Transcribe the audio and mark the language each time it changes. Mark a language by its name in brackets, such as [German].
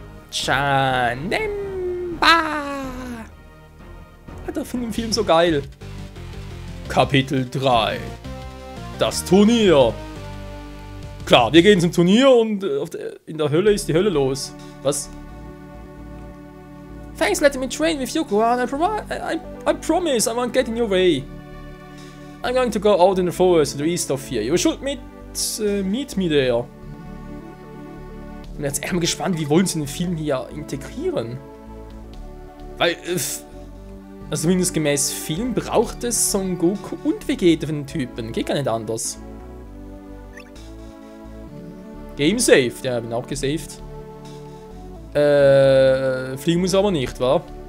[German] Chanemba! Hat er von dem Film so geil. Kapitel 3. Das Turnier. Klar, wir gehen zum Turnier und in der Hölle ist die Hölle los. Was? [English] Thanks, letting me train with you, Gohan. I promise I won't get in your way. I'm going to go out in the forest to the east of here. You should meet me there. [German] Ich bin jetzt erstmal gespannt, wie wollen sie den Film hier integrieren? Weil, also zumindest gemäß Film braucht es Son Goku und Vegeta für den Typen. Geht gar nicht anders. [English] Game saved. [German] Ja, bin auch gesaved. Fliegen muss aber nicht, wa?